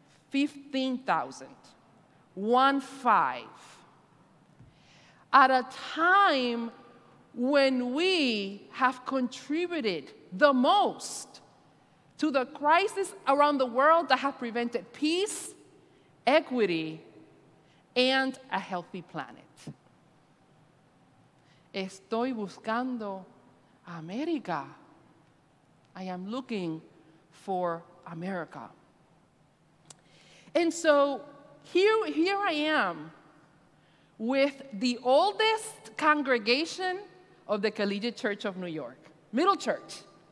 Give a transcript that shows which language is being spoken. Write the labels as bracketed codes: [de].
[en] 15,000, 1-5, at a time when we have contributed the most to the crisis around the world that have prevented peace, equity, and a healthy planet. [es] Estoy buscando América. [en] I am looking for America. And so here I am with the oldest congregation of the Collegiate Church of New York, Middle Church.